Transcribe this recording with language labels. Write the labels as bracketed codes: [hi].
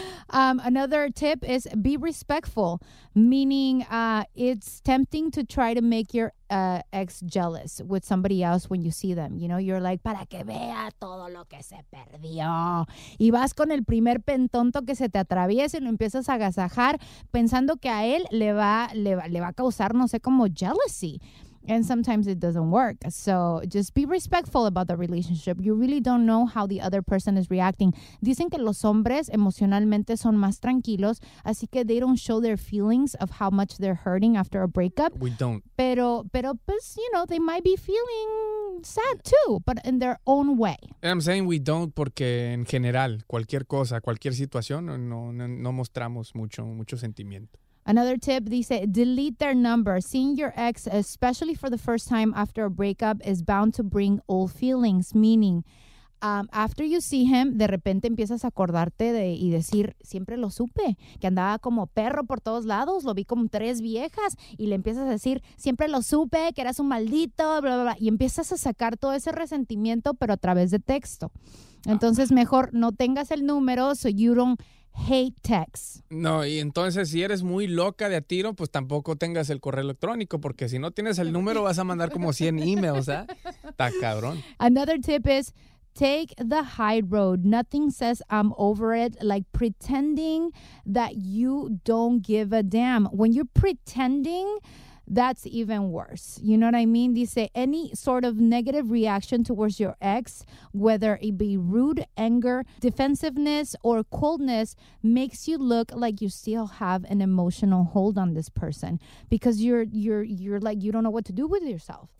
[en] Another tip is be respectful, meaning it's tempting to try to make your ex jealous with somebody else when you see them. You know, you're like, [es] para que vea todo lo que se perdió. Y vas con el primer pentonto que se te atraviesa y lo empiezas a agasajar pensando que a él le va a causar, no sé, como jealousy. [en] And sometimes it doesn't work. So just be respectful about the relationship. You really don't know how the other person is reacting. [es] Dicen que los hombres emocionalmente son más tranquilos, así que [en] they don't show their feelings of how much they're hurting after a breakup. We don't. [es] Pero pues, [en] you know, they might be feeling sad too, but in their own way. And I'm saying we don't [es] porque en general, cualquier cosa, cualquier situación, no mostramos mucho sentimiento. [en] Another tip, dice, delete their number. Seeing your ex, especially for the first time after a breakup, is bound to bring old feelings. Meaning, after you see him, [es] de repente empiezas a acordarte de y decir, siempre lo supe, que andaba como perro por todos lados, lo vi con tres viejas, y le empiezas a decir, siempre lo supe, que eras un maldito, bla, bla, bla. Y empiezas a sacar todo ese resentimiento, pero a través de texto. Entonces, mejor no tengas el número, [en] so you don't hate text. [es] No, y entonces si eres muy loca de a tiro, pues tampoco tengas el correo electrónico, porque si no tienes el número vas a mandar como 100 emails, ¿eh? Está cabrón. [en] Another tip is take the high road. Nothing says I'm over it like pretending that you don't give a damn. When you're pretending, that's even worse. You know what I mean? Dice, any sort of negative reaction towards your ex, whether it be rude, anger, defensiveness, or coldness, makes you look like you still have an emotional hold on this person because you're like, you don't know what to do with yourself.